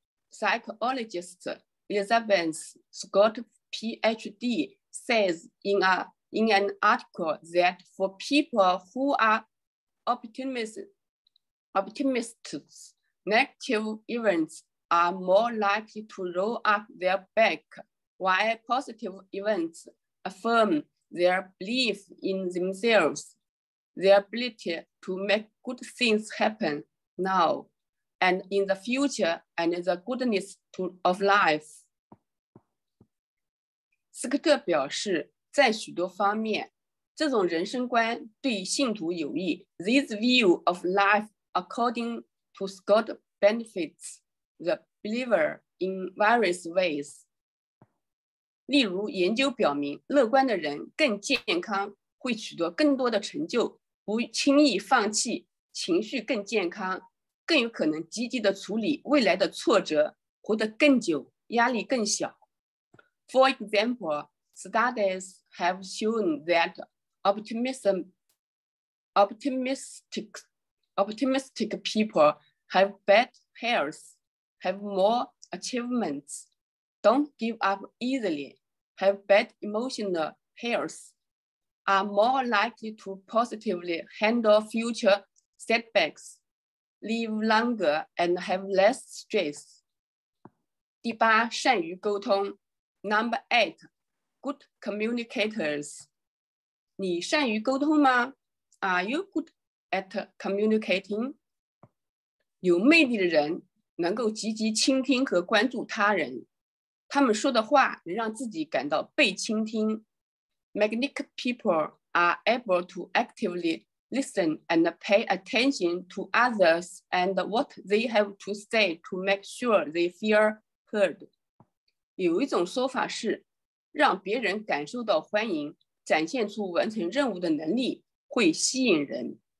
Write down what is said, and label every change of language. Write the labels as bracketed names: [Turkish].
[English] Psychologist Elizabeth Scott PhD says in an article that for people who areOptimists, negative events are more likely to roll up their back, while positive events affirm their belief in themselves, their ability to make good things happen now and in the future, and the goodness of life. [Chinese] 斯科特表示，在许多方面这种人生观对信徒有益。 [English] This view of life according to Scott benefits the believer in various ways. [Chinese] 例如，研究表明乐观的人更健康，会取得更多的成就，不轻易放弃，情绪更健康，更有可能积极的处理未来的挫折，活得更久，压力更小。 [English] For example, studies have shown that optimistic people have better health, have more achievements, don't give up easily, have better emotional health, are more likely to positively handle future setbacks, live longer and have less stress. [Chinese] 第八，善于沟通。 [English] Number eight, good communicators. [Chinese] 你善于沟通吗？ [English] Are you good at communicating? [Chinese] 有魅力的人能够积极倾听和关注他人，他们说的话能让自己感到被倾听。 [English] Magnetic people are able to actively listen and pay attention to others and what they have to say to make sure they feel heard. [Chinese] 有一种说法是，让别人感受到欢迎，展现出完成任务的能力，会吸引人。